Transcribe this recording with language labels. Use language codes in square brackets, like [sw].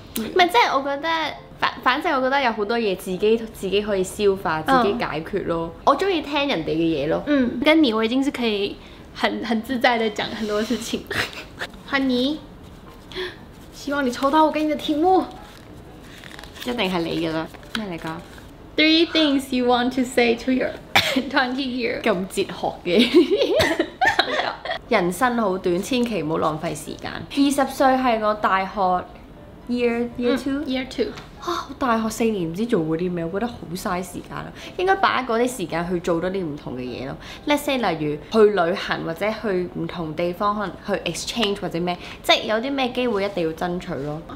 [zh] 不是，我觉得反正我觉得有很多东西自己可以消化，自己解决咯。我喜欢听人家的东西。嗯，跟你我已经是可以 很自在的讲很多事情。欢迎你，希望你抽到我给你的题目。一定是你的了。什么来的？ [en] Three things you want to say to your 20 year。 [zh] 这么哲学的。人生很短，千万不要浪费时间。20岁是我大学 [en] year two、 year two。 [zh] 哦、大學四年不知道做過什麼，我覺得很浪費時間，應該把那些時間去做多些不同的事情。 Let's say 例如去旅行，或者去不同地方，可能去 exchange 或者什麼，即有些什麼機會一定要爭取咯。